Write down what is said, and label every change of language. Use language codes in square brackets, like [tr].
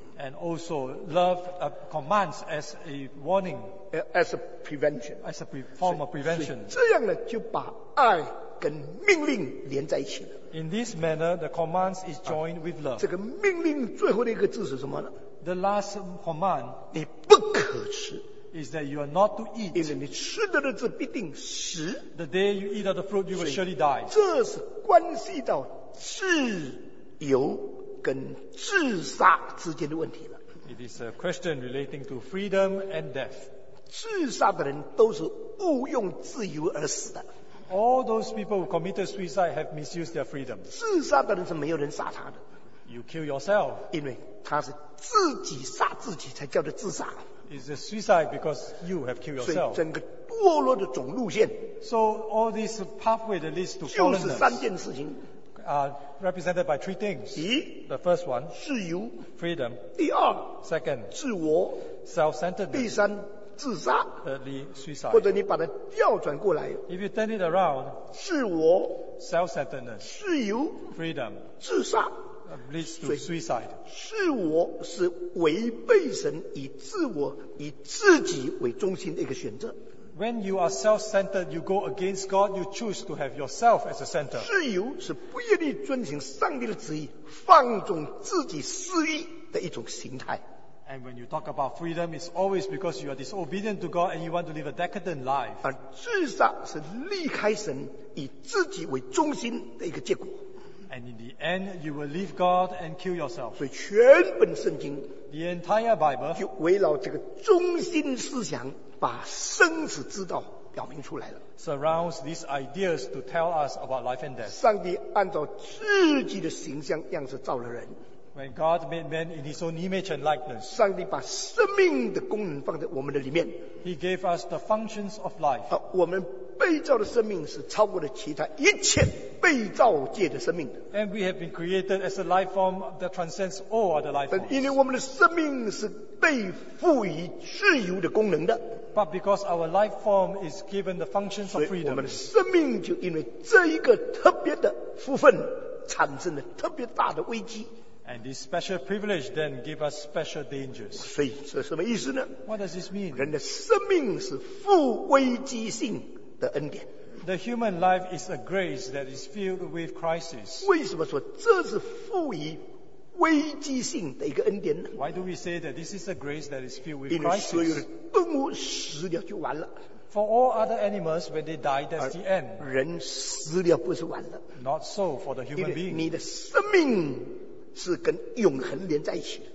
[en] And also love commands as a warning. As a prevention. As a form of prevention. [zh] 这样呢，就把爱跟命令连在一起了。 [en] In this manner, the commands is joined with love. [zh] 这个命令最后的一个字是什么呢 [en] ？The last command. [zh] 你不可吃。 [en] Is that you are not to eat? [zh] 因为你吃的日子必定死。 [en] The day you eat of the fruit, you will surely die. [zh] 这是关系到自由跟自杀之间的问题了。 [en] It is a question relating to freedom and death. [zh] 自杀的人都是误用自由而死的。 [en] All those people who committed suicide have misused their freedom. [zh] 自杀的人是没有人杀他的。 [en] You kill yourself. [zh] 因为他是自己杀自己才叫做自杀。 [en] It's a suicide because you have killed yourself. [zh] 所以整个堕落的总路线 [en] So all this pathway that leads to [zh] fallenness 就是三件事情 [en] Represented by three things. [zh] 一 [en] The first one [zh] 自由 [en] Freedom [zh] 第二 [en] Second [zh] 自我 [en] Self-centeredness [zh] 第三自杀 [en] suicide, [zh] 或者你把它调转过来 [en] if you turn it around, [zh] 自我 [en] self-centeredness, [zh] 自由 [en] freedom, [zh] 自杀 [en] leads to suicide, [zh] 自我是违背神以自我以自己为中心的一个选择。 [en] When you are self-centered, you go against God, you choose to have yourself as a center. [zh] 自由是不愿意遵循上帝的旨意，放纵自己私欲的一种形态。 [en] And when you talk about freedom, it's always because you are disobedient to God and you want to live a decadent life. [zh] 而自杀是离开神，以自己为中心的一个结果。 [en] And in the end, you will leave God and kill yourself. [zh] 所以全本圣经 [en] the entire Bible [zh] 就围绕这个中心思想。把生死之道表明出来了。 [en] Surrounds these ideas to tell us about life and death. [zh] 上帝按照自己的形象样式造了人。 [en] When God made man in His own image and likeness. [zh] 上帝把生命的功能放在我们的里面。 [en] He gave us the functions of life. [zh] 我们被造的生命是超过了其他一切被造界的生命的。 [en] And we have been created as a life form that transcends all other life forms. [zh] 因为我们的生命是被赋予自由的功能的。 [en] But because our life form is given the functions of freedom, [zh] 我们的生命就因为这一个特别的福分，产生了特别大的危机。 [en] And this special privilege then give us special dangers. [zh] 所以这什么意思呢？ [en] What does this mean? [zh] 人的生命是富危机性的恩典。 [en] The human life is a grace that is filled with crisis. [zh] 为什么说这是富于危机性的一个恩典呢？ [en] Why do we say that this is a grace that is filled with crisis? [zh] 因为所有的动物死掉就完了。 [en] For all other animals, when they die, that's the end. [zh] 人死掉不是完了。 [en] Not so for the human being. [zh] 因为你的生命是跟永恒连在一起。